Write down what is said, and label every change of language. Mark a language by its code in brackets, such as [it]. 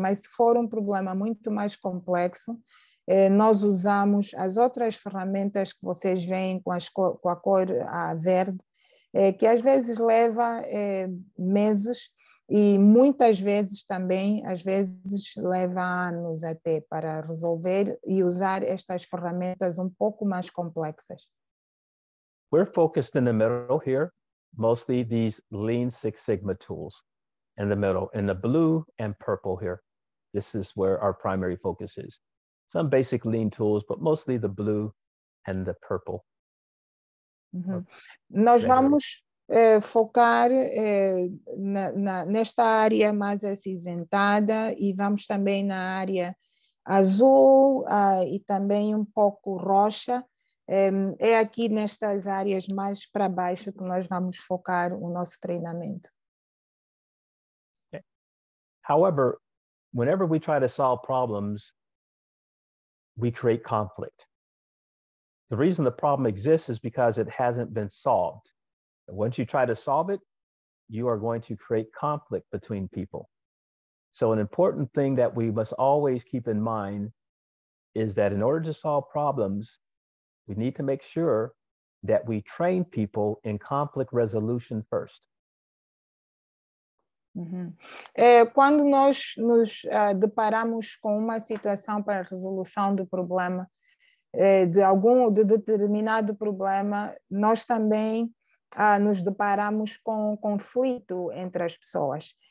[pt] Mas se for um problema muito mais complexo, nós usamos as outras ferramentas que vocês veem com a cor verde, que às vezes leva meses. E muitas vezes também, às vezes, leva anos até para resolver e usar estas ferramentas um pouco mais complexas. [en] We're focused in the middle here, mostly these Lean Six Sigma tools in the middle, in the blue and purple here. This is where our primary focus is. Some basic Lean tools, but mostly the blue and the purple. Uhum. [pt] Nós vamos focar nesta área mais acinzentada e vamos também na área azul e também um pouco roxa. É aqui nestas áreas mais para baixo que nós vamos focar o nosso treinamento. [en] Okay. However, whenever we try to solve problems, we create conflict. The reason the problem exists is because it hasn't been solved. Once you try to solve it, you are going to create conflict between people. So an important thing that we must always keep in mind is that in order to solve problems, we need to make sure that we train people in conflict resolution first. Uhum. [pt] Quando nós nos deparamos com uma situação para a resolução do problema, de algum ou de determinado problema, nós também nos deparamos com conflito entre as pessoas.